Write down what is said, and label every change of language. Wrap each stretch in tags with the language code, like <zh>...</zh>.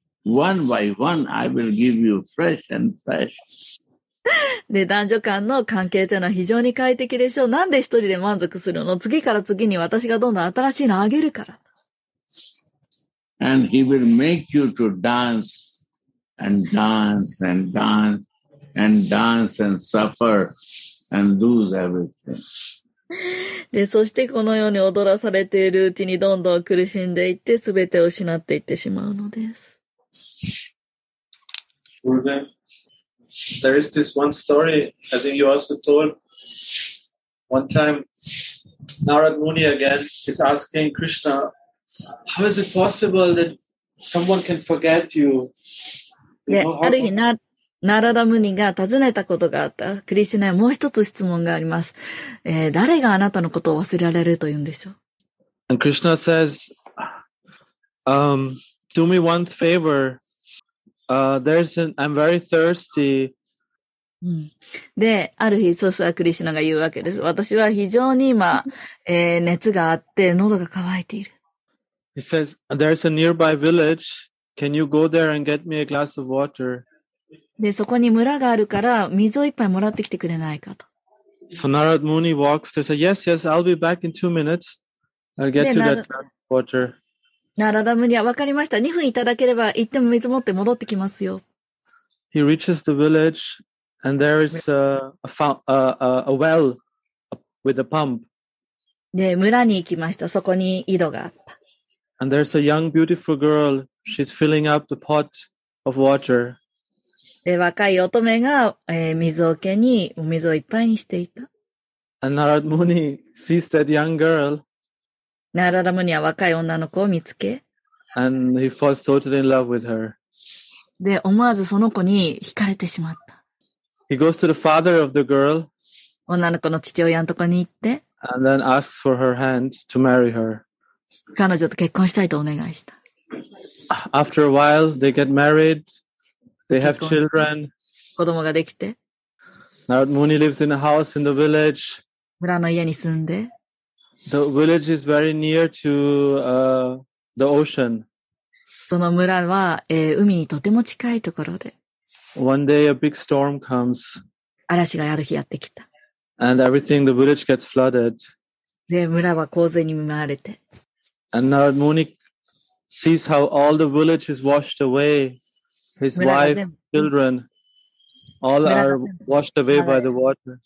<en>One by one, I will give you fresh and fresh.</en> <ja>で、男女間の関係というのは非常に快適でしょう。なんで一人で満足するの？次から次に私がどんどん新しいのをあげるから。</ja> <en>And he will make you to dance and dance and dance and dance and suffer and lose everything.</en> <ja>で、そしてこのように踊らされているうちにどんどん苦しんでいって全てを失っていってしまうのです。</ja> <en>There is this one story, I think you also told one time. Narad Muni again is asking Krishna, how is it possible that someone can forget you?</en> <ja>ある日、Narada Muni が尋ねたことがあった。クリシュナへもう一つ質問があります。誰があなたのことを忘れられるというんでしょう。</ja> <en>And Krishna says, do me one favor. I'm very thirsty.、</en> <ja>で、ある日、そしたらクリシナが言うわけです。私は非常に今、熱があって、喉が渇いている。</ja> <en>He says, there's a nearby village. Can you go there and get me a glass of water?</en> <ja>で、そこに村があるから、水を一杯もらってきてくれないかと。</ja> <en>So Narad Muni walks there and says, yes, I'll be back in 2 minutes. I'll get you that glass of water.</en> <ja>ナラダムニア、わかりました。2分いただければ、行っても水持って戻ってきますよ。</ja> <en>He reaches the village, and there is a well with a pump.</en> <ja>で、村に行きました。そこに井戸があった。</ja> <en>And there's a young beautiful girl. She's filling up the pot of water.</en> <ja>で、若い乙女が、水桶に、水をいっぱいにしていた。</ja> <en>And Narad Muni sees that young girl.</en> <ja>ナラダムニは若い女の子を見つけ。</ja> <en>And he falls totally in love with her.</en> <ja>で、思わずその子に惹かれてしまった。</ja> <en>He goes to the father of the girl.</en> <ja>女の子の父親のとこに行って。</ja> <en>And then asks for her hand to marry her.</en> <ja>彼女と結婚したいとお願いした。</ja> <en>After a while, they get married. They have children.</en> <ja>子供ができて。</ja> <en>Narad Muni lives in a house in the village.</en> <ja>村の家に住んで。</ja> <en>The village is very near to, the ocean.</en> <ja>その村は、海にとても近いところで。</ja> <en>One day a big storm comes.</en> <ja>嵐がある日やってきた。</ja> <en>And everything, the village gets flooded.</en> <ja>で、村は洪水に見舞われて。</ja> <en>And Narad Muni sees how all the village is washed away. His wife, children, all are washed away by the water.</en>